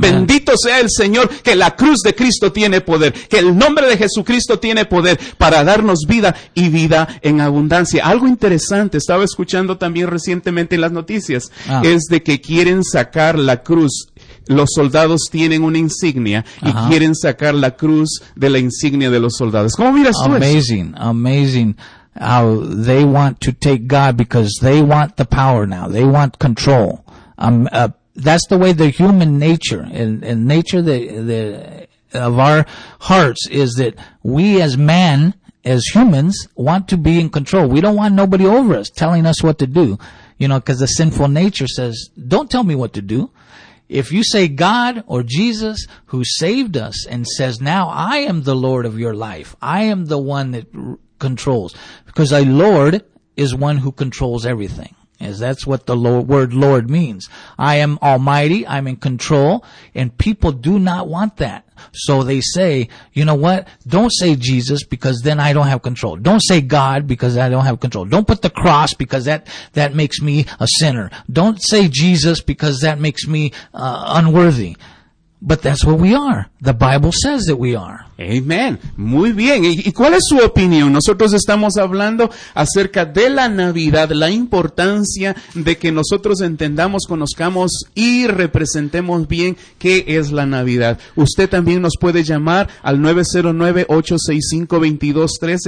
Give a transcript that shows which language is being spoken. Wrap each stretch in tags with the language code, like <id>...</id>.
<es>Bendito sea el Señor, que la cruz de Cristo tiene poder, que el nombre de Jesucristo tiene poder para darnos vida y vida en abundancia. Algo interesante, estaba escuchando también recientemente en las noticias, es de que quieren sacar la cruz. Los soldados tienen una insignia y quieren sacar la cruz de la insignia de los soldados. ¿Cómo miras tú eso?</es> <en>Amazing, amazing. How they want to take God because they want the power now. They want control. That's the way the human nature and nature of our hearts is, that we as man, as humans, want to be in control. We don't want nobody over us telling us what to do, you know, because the sinful nature says, don't tell me what to do. If you say God or Jesus who saved us and says, now I am the Lord of your life. I am the one that controls. Because a Lord is one who controls everything. As that's what the Lord, word Lord means. I am almighty. I'm in control. And people do not want that. So they say, you know what? Don't say Jesus because then I don't have control. Don't say God because I don't have control. Don't put the cross because that makes me a sinner. Don't say Jesus because that makes me unworthy. But that's what we are. The Bible says that we are.</en> <es>Amen. Muy bien. ¿Y cuál es su opinión? Nosotros estamos hablando acerca de la Navidad, la importancia de que nosotros entendamos, conozcamos y representemos bien qué es la Navidad. Usted también nos puede llamar al 909-865-2213.</es>